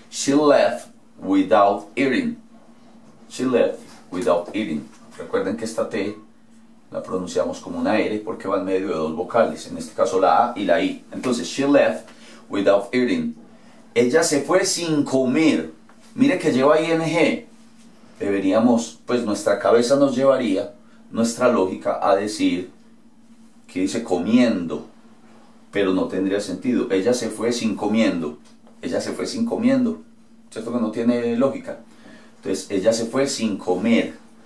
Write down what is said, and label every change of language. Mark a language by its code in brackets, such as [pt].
[en] She left without eating. She left without eating. [es] Recuerden que esta T la pronunciamos como una R porque va en medio de dos vocales. En este caso la A y la I. [en] Entonces, she left without eating. [es] Ella se fue sin comer. Mire que lleva ING. Deberíamos, pues nuestra cabeza nos llevaría, nuestra lógica, a decir que dice comiendo. Pero no tendría sentido. Ella se fue sin comiendo. Ella se fue sin comiendo. ¿Cierto que no tiene lógica? Entonces, ella se fue sin comer.